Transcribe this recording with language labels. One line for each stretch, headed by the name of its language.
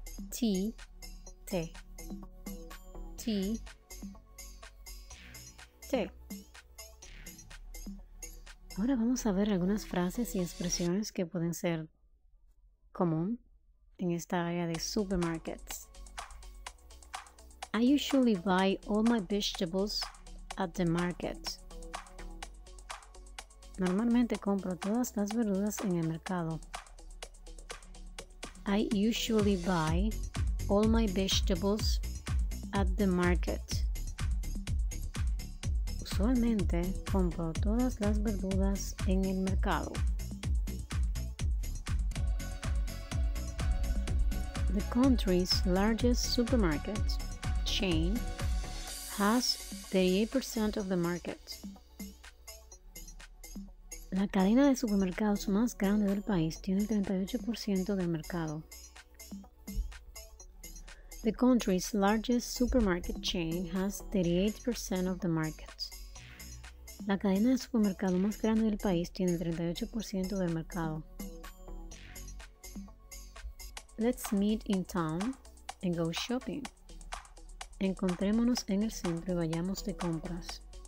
English: Tea, té. Tea, té.
Spanish: Ahora vamos a ver algunas frases y expresiones que pueden ser común en esta área de supermarkets.
English: I usually buy all my vegetables at the market.
Spanish: Normalmente compro todas las verduras en el mercado.
English: I usually buy all my vegetables at the market.
Spanish: Usualmente compro todas las verduras en el mercado.
English: The country's largest supermarket chain has 38% of the market.
Spanish: La cadena de supermercados más grande del país tiene el 38% del mercado.
English: The country's largest supermarket chain has 38% of the market.
Spanish: La cadena de supermercados más grande del país tiene el 38% del mercado.
English: Let's meet in town and go shopping.
Spanish: Encontrémonos en el centro y vayamos de compras.